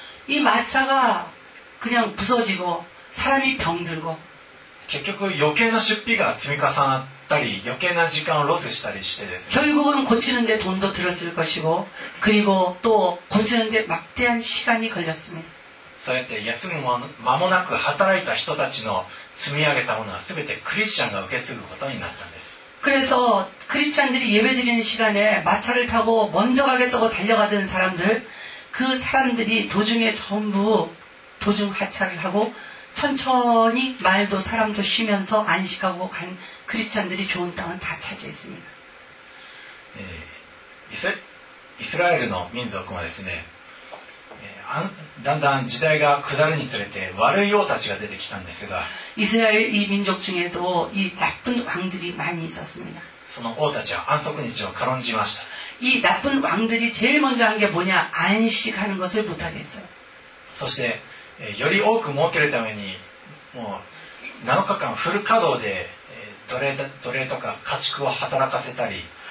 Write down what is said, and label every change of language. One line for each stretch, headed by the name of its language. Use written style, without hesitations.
Korean: 이마차가그냥부서지고사람이병들고
Japanese: 結局余計な出費が積み重なったり余計な時間をロスしたりしてですね
Korean: 결국은고치는데돈도들었을것이고그리고또고치는데막대한시간이걸렸습니다
Japanese: そうやって休む間もなく働いた人たちの積み上げたものは全てクリスチャンが受け継ぐことになったんです。
Korean: 그래서クリスチャン들이예배드리는시간에마차를타고먼저가겠다고달려가던사람들그사람들이도중에전부도중하차를하고천천히말도사람도쉬면서안식하고간크리스찬들이좋은땅을다차지했습니다 이스라엘의민족은
Japanese: ですね段々時代が下るにつれて悪い王たちが出てきたんですが
Korean: 이스라엘이민족중에도이나쁜왕들이많이있었습니다
Japanese: その王たちは安息日を軽んじました。
Korean: 이나쁜왕들이제일먼저한게뭐냐안식하는것을못하겠어요
Japanese: そしてより多く儲けるためにもう7日間フル稼働で奴隷とか家畜を働かせたり